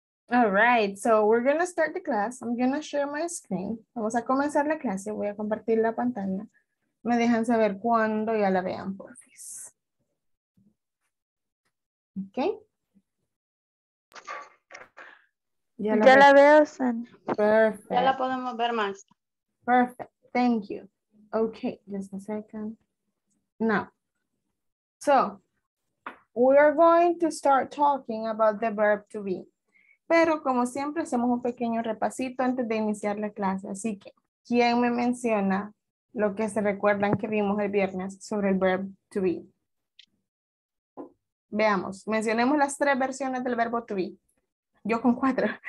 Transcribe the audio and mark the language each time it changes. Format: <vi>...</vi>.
<en>All right, so we're going to start the class. I'm going to share my screen.</en> <es>Vamos a comenzar la clase. Voy a compartir la pantalla. Me dejan saber cuándo ya la vean, por favor.</es> <en>Okay.</en> <es>Ya la veo, San.</es> <en>Perfect.</en> <es>Ya la podemos ver más.</es> <en>Perfect. Thank you. Okay, just a second. Now, so we are going to start talking about the verb to be.</en> <es>Pero como siempre, hacemos un pequeño repasito antes de iniciar la clase. Así que, ¿quién me menciona lo que se recuerdan que vimos el viernes sobre el verb to be? Veamos, mencionemos las tres versiones del verbo to be. Yo con cuatro.</es>